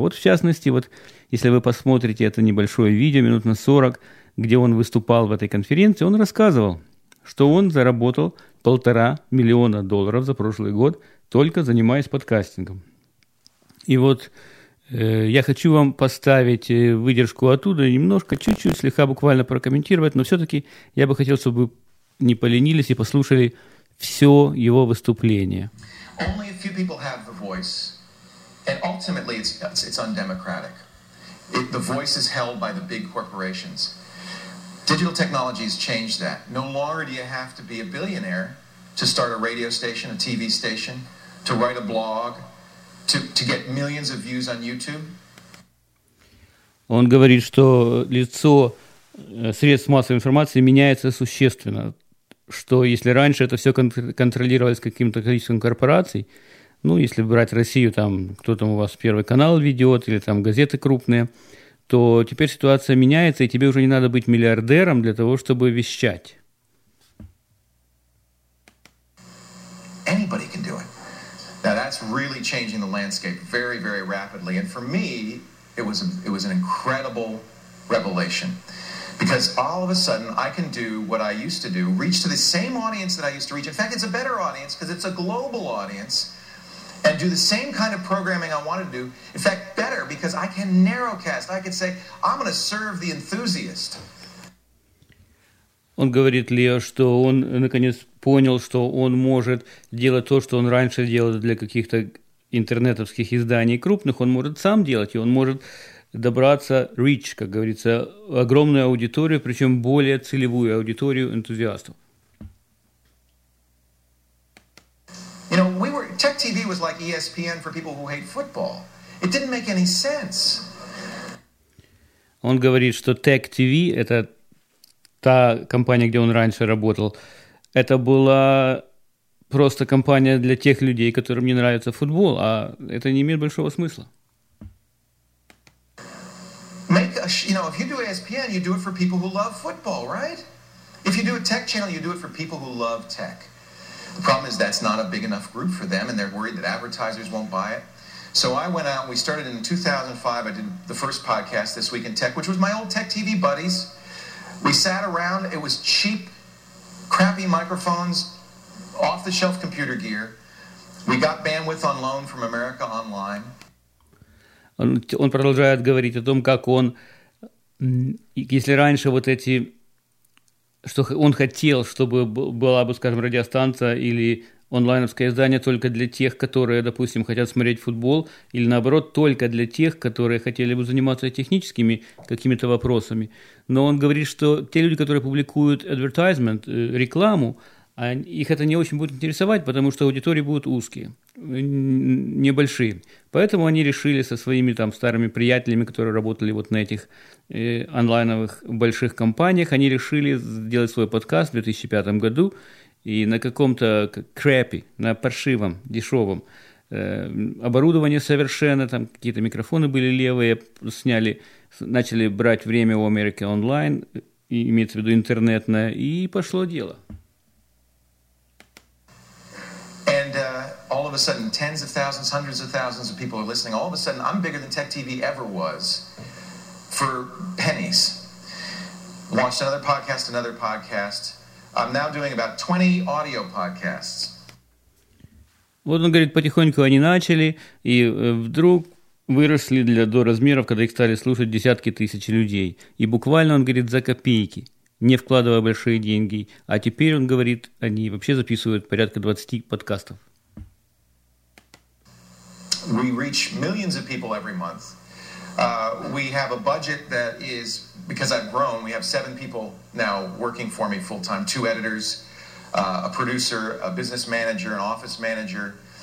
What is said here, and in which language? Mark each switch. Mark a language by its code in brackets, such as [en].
[ru] Вот в частности, вот если вы посмотрите это небольшое видео, минут на 40, где он выступал в этой конференции, он рассказывал, что он заработал $1.5 миллиона за прошлый год, только занимаясь подкастингом. И вот я хочу вам поставить выдержку оттуда, немножко, чуть-чуть, слегка буквально прокомментировать, но все-таки я бы хотел, чтобы вы не поленились и послушали все его выступление. [en] Only a few people have the voice. And ultimately, it's undemocratic. The voice is held by the big corporations. Digital technology has changed that. No longer do you have to be a billionaire to start a radio station, a TV station, to write a blog, to get millions of views on YouTube. [ru] Он говорит, что лицо средств массовой информации меняется существенно, что если раньше это все контролировалось каким-то количеством корпораций, ну, если брать Россию, там, кто там у вас Первый канал ведет или там газеты крупные, то теперь ситуация меняется, и тебе уже не надо быть миллиардером для того, чтобы вещать. [en] Anybody can do it. Now that's really changing the landscape very, very rapidly. And for me, it was an incredible revelation. because all of a sudden I can do what I used to do, reach to the same audience that I used to reach. In fact, it's a better audience because it's a global audience, and do the same kind of programming I wanted to do. In fact, better, because I can narrowcast. I can say, I'm going to serve the enthusiast. [ru] Он говорит, Лео, что он наконец понял, что он может делать то, что он раньше делал для каких-то интернетовских изданий крупных, он может сам делать, и он может добраться [en] reach, [ru] как говорится, огромную аудиторию, причем более целевую аудиторию энтузиастов. [en] You know, we were, Tech TV was like ESPN for people who hate football. It didn't make any sense. [ru] Он говорит, что Tech TV – это та компания, где он раньше работал, это была просто компания для тех людей, которым не нравится футбол, а это не имеет большого смысла. [en] Make a, you know, if you do ESPN, you do it for people who love football, right? If you do a tech channel, you do it for people who love tech. The problem is that's not a big enough group for them, and they're worried that advertisers won't buy it. So I went out, we started in 2005, I did the first podcast, This Week in Tech, which was my old Tech TV buddies. We sat around, it was cheap, crappy microphones, off-the-shelf computer gear. We got bandwidth on loan from America Online. [ru] Он продолжает говорить о том, как он, если раньше вот эти, что он хотел, чтобы была бы, скажем, радиостанция или онлайновское издание только для тех, которые, допустим, хотят смотреть футбол, или наоборот, только для тех, которые хотели бы заниматься техническими какими-то вопросами. Но он говорит, что те люди, которые публикуют [en] advertisement, [ru] рекламу, их это не очень будет интересовать, потому что аудитории будут узкие, небольшие. Поэтому они решили со своими там старыми приятелями, которые работали вот на этих онлайновых больших компаниях, они решили сделать свой подкаст в 2005 году, и на каком-то [en] crappy, [ru] на паршивом, дешевом оборудовании совершенно, там какие-то микрофоны были левые, сняли, начали брать время у America Online, имеется в виду интернетное, и пошло дело. [en] And all of a sudden, tens of thousands, hundreds of thousands of people are listening. All of a sudden, I'm bigger than Tech TV ever was for pennies. Launched another podcast, another podcast. I'm now doing about 20 audio podcasts. [ru] Вот он говорит, потихоньку они начали, и вдруг выросли до размеров, когда их стали слушать десятки тысяч людей. И буквально, он говорит, за копейки, не вкладывая большие деньги. А теперь, он говорит, они вообще записывают порядка 20 подкастов. [en] We reach millions of people every month. We have a budget that is, because I've grown, we have 7 people now working for me full-time. 2 editors, a producer, a business manager, an office manager.